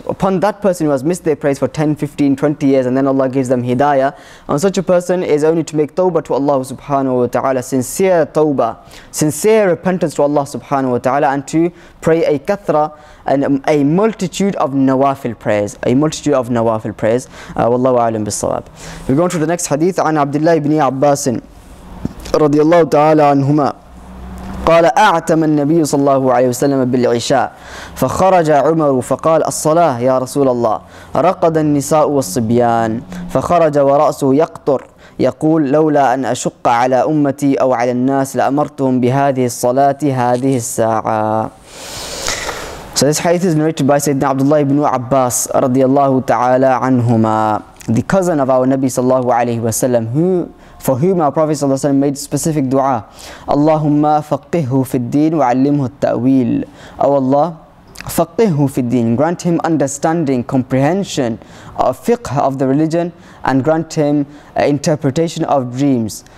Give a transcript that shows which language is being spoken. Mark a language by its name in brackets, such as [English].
[English] Upon that person who has missed their prayers for 10, 15, 20 years and then Allah gives them hidayah, on such a person is only to make tawbah to Allah [Arabic] subhanahu wa ta'ala, [English] sincere tawbah, sincere repentance to Allah subhanahu wa ta'ala, and to pray a kathra and a multitude of nawafil prayers. A multitude of nawafil prayers. [Arabic] Wallahu a'lam bis-sawab. [English] We go on to the next hadith on [Arabic] Abdullah ibn Abbas رضي الله تعالى عنهما قال أعتم النبي صلى الله عليه وسلم بالعشاء فخرج عمر فقال الصلاة يا رسول الله رقد النساء والصبيان فخرج ورأسه يقطر يقول لولا أن أشق على أمتي أو على الناس لأمرتهم بهذه الصلاة هذه الساعة. [English] So this hadith is narrated by Sayyidina Abdullah ibn Abbas [Arabic] رضي الله تعالى عنهما, [English] the cousin of our Nabi [Arabic] صلى الله عليه وسلم, [English] for whom our Prophet ﷺ made specific dua. [Arabic] Allahumma faqqihhu fi al-deen wa 'allimhu al-ta'wil. [English] O Allah, [Arabic] faqqihhu fi al-deen. [English] Grant him understanding, comprehension of fiqh of the religion, and grant him interpretation of dreams.